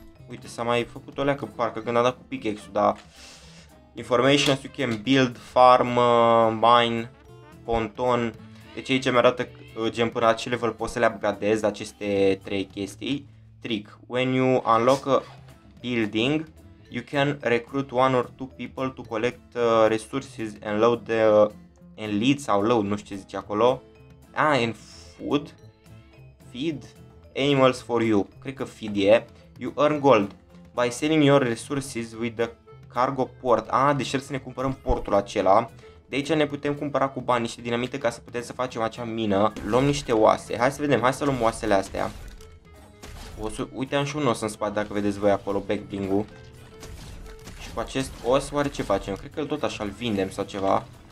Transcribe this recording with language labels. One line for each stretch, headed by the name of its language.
Romanian: Uite, s-a mai făcut o leacă, parcă când a dat cu pickaxe-ul, dar...
English: Informations, you can build, farm, mine, ponton.
Romanian: Deci aici mi-arată gen până la ce level pot să le upgradez aceste trei chestii.
English: Trick, when you unlock a building, you can recruit one or two people to collect resources and load the and lead
Romanian: sau load, nu știu ce zice acolo.
English: And food, feed animals for you,
Romanian: cred că feed e.
English: You earn gold by selling your resources with the cargo port.
Romanian: Deci trebuie să ne cumpărăm portul acela. De aici ne putem cumpăra cu bani niște dinamită ca să putem să facem acea mină. Luăm niște oase. Hai să vedem, hai să luăm oasele astea. Uite, am și un os în spate, dacă vedeți voi acolo, backbling-ul. Și cu acest os, oare ce facem? Cred că tot așa îl vindem sau ceva.